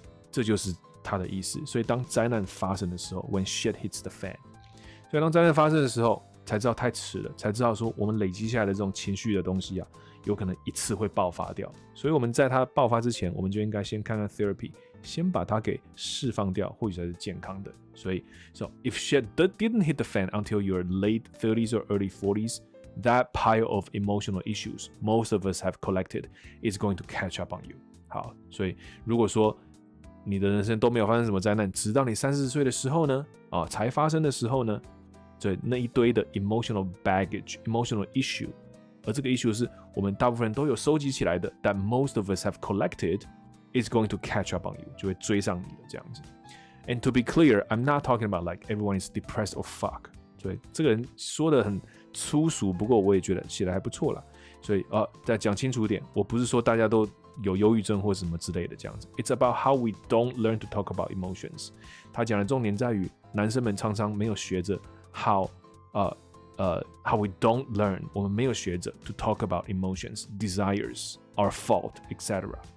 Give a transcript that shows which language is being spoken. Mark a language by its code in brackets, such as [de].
[zh] 这就是他的意思。所以当灾难发生的时候 ， [en] when shit hits the fan， [zh] 所以当灾难发生的时候，才知道太迟了，才知道说我们累积下来的这种情绪的东西啊，有可能一次会爆发掉。所以我们在它爆发之前，我们就应该先看看 therapy， 先把它给释放掉，或许才是健康的。所以 [en] ，so if shit didn't hit the fan until your late 30s or early 40s, that pile of emotional issues most of us have collected is going to catch up on you。 [zh] 好，所以如果说你的人生都没有发生什么灾难，直到你30岁的时候呢，啊，才发生的时候呢，对，那一堆的 [en] emotional baggage, emotional issue， [zh] 而这个 issue 是我们大部分人都有收集起来的 ， [en] that most of us have collected is going to catch up on you， [zh] 就会追上你的这样子。 [en] And to be clear, I'm not talking about like everyone is depressed or fuck。 [zh] 对，这个人说的很粗俗，不过我也觉得写的还不错了。所以再讲清楚一点，我不是说大家都有忧郁症或什么之类的这样子。 [en] It's about how we don't learn to talk about emotions。 [zh] 他讲的重点在于男生们常常没有学着。 [en] How we don't learn, [zh] 我们没有学着 [en] to talk about emotions, desires, our fault, etc.